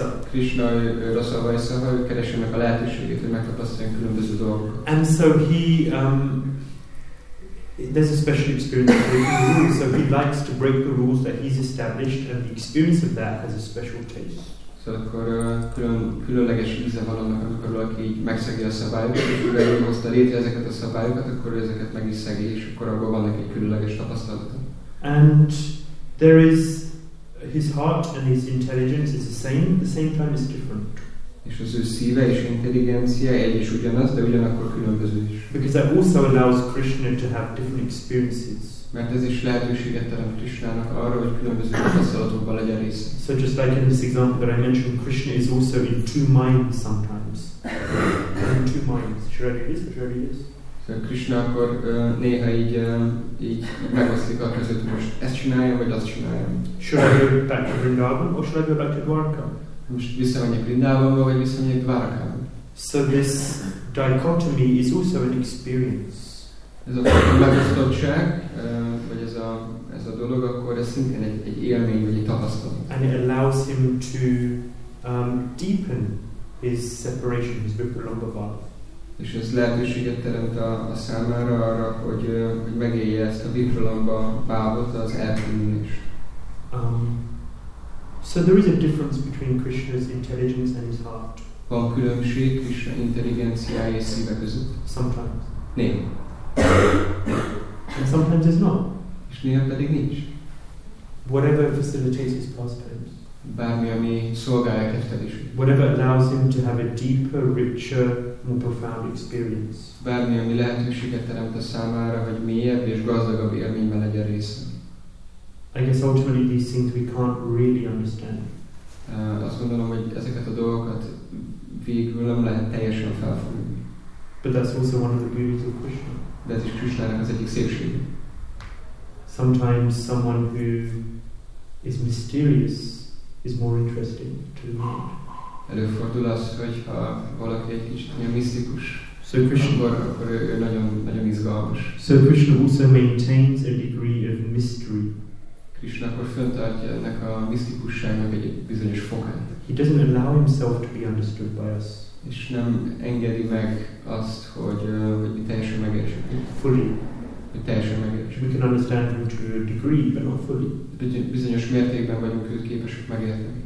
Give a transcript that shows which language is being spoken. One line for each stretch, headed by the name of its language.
Hungarian: Krishna rasa vaisa, ő keresi meg a lehetőséget, hogy megtapasztaljon különböző dolgokat.
English: And so he, there's a special experience of breaking the rules. So he likes to break the rules that he's established, and the experience of that has a special taste.
Hungarian: So akkor különleges íze van annak, amikor valaki megszegi a szabályokat, és mivel ő hozta létre ezeket a szabályokat, akkor ezeket meg is szegi, és akkor abban van neki egy különleges tapasztalata.
English: And there is his heart and his intelligence is the same time is different.
Hungarian: És az ő szíve és intelligencia egy és ugyanaz, de ugyanakkor különböző is.
English: Because that also allows Krishna to have different experiences.
Hungarian: Mert ez is lehetőséget teremt Krishnának arra, hogy különböző tapasztalatokban legyen része.
English: So just like in this example that I mentioned, Krishna is also in two minds sometimes. In two minds. Sure it is.
Hungarian: Szóval Krishna akkor néha így megosztik a között, most ezt csináljam, vagy azt csináljam.
English: Should I go back to Vrindavan, or should I go back to Dvaraka?
Hungarian: Most visszamegyek Vrindavanba, vagy visszamegyek Dvarakába?
English: So this dichotomy is also an experience.
Hungarian: Ez a megosztottság, vagy ez a dolog, akkor ez szintén egy élmény, vagy egy tapasztalat.
English: And it allows him to deepen his separation, his Vipralambavada.
Hungarian: És ez lehetőséget teremt a számára arra, hogy megélje ezt a Vipralamba bábot, az eltűnés.
English: So there is a difference between Krishna's intelligence and his heart.
Hungarian: Van különbség Krishna intelligenciája és szíve között?
English: Sometimes.
Hungarian: Néha.
English: And sometimes it's not.
Hungarian: És néha pedig nincs.
English: Whatever facilitates his pastimes.
Hungarian: Bármi, ami szolgálja kedvelését.
English: Whatever allows him to have a deeper, richer, more profound experience.
Hungarian: Bármi, ami lehetőséget teremt a számára, hogy mélyebb és gazdagabb élményben legyen része.
English: I guess ultimately these things we can't really understand.
Hungarian: Azt gondolom, hogy ezeket a dolgokat végül nem lehet teljesen felfogni.
English: But that's also one of the beauties of Krishna.
Hungarian: De ez is Krishnának az egyik szépsége.
English: Sometimes someone who is mysterious is more interesting to the mind.
Hungarian: előfordul az, hogyha valaki egy kicsit ilyen misztikus,
English: so Krishna,
Hungarian: akkor ő nagyon, nagyon izgalmas.
English: So Krishna also maintains a degree of mystery.
Hungarian: Krishna akkor fenntartja ennek a misztikusságnak egy bizonyos fokát.
English: He doesn't allow himself to be understood by us.
Hungarian: És nem engedi meg azt, hogy, hogy teljesen megértsük.
English: Fully.
Hungarian: Hogy teljesen megértsük.
English: We can understand him to a degree, but not fully.
Hungarian: Bizonyos mértékben vagyunk őt képesek megérteni.